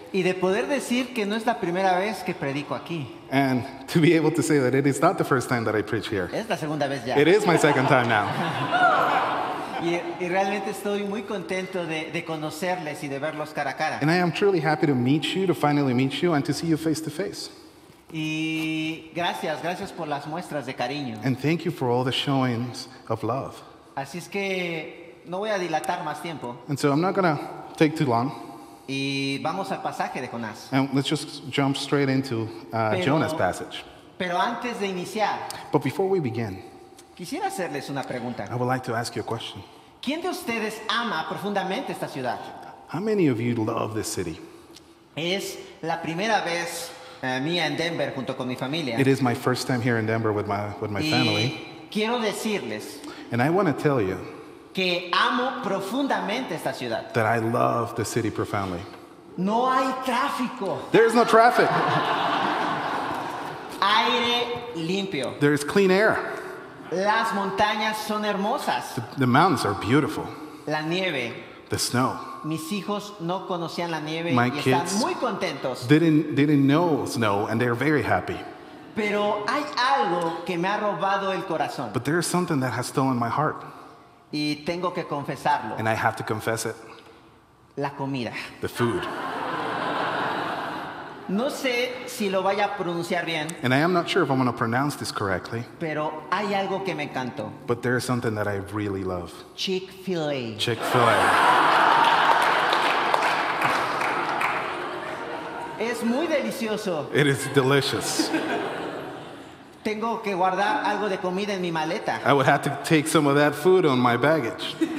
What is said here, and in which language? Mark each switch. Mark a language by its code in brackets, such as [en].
[es] Y de poder decir que no es la primera vez que predico aquí. [en] And to be able to say that it is not the first time that I preach here. [es] Es la segunda vez ya. [en] It is my second time now. [es] Y realmente estoy muy contento de conocerles y de verlos cara a cara. [en] And I am truly happy to meet you, to finally meet you, and to see you face to face. [es] Y gracias por las muestras de cariño. [en] And thank you for all the showings of love. [es] Así es que no voy a dilatar más tiempo. [en] And so I'm not going to take too long. [es] Y vamos al pasaje de Jonás. [en] And let's just jump straight into Jonah's passage. [es] Pero antes de iniciar, [en] but before we begin, [es] quisiera hacerles una pregunta. [en] I would like to ask you a question. [es] ¿Quién de ustedes ama profundamente esta ciudad? [en] How many of you love this city? [es] Es la primera vez mía en Denver junto con mi familia. [en] It is my first time here in Denver with my [es] y [en] family. [es] Quiero decirles, [en] and I want to tell you [es] que amo profundamente esta ciudad. [en] That I love the city profoundly. [es] No hay tráfico. [en] There is no traffic. [es] Aire limpio. [en] There is clean air. [es] Las montañas son hermosas. [en] The mountains are beautiful. [es] La nieve. [en] The snow. [es] Mis hijos no conocían la nieve. [en] My kids [es] están muy contentos. [en] Didn't know snow, and they're very happy. [es] Pero hay algo que me ha robado el corazón. [en] But there is something that has stolen my heart. [es] Y tengo que confesarlo. [en] And I have to confess it. [es] La comida. [en] The food. [es] No sé si lo vaya a pronunciar bien. [en] And I am not sure if I'm going to pronounce this correctly. [es] Pero hay algo que me encantó. [en] But there is something that I really love. [es] Chick-fil-A. [en] Chick-fil-A. [es] es muy delicioso. [en] It is delicious. [es] Tengo que guardar algo de comida en mi maleta. [en] I would have to take some of that food on my baggage.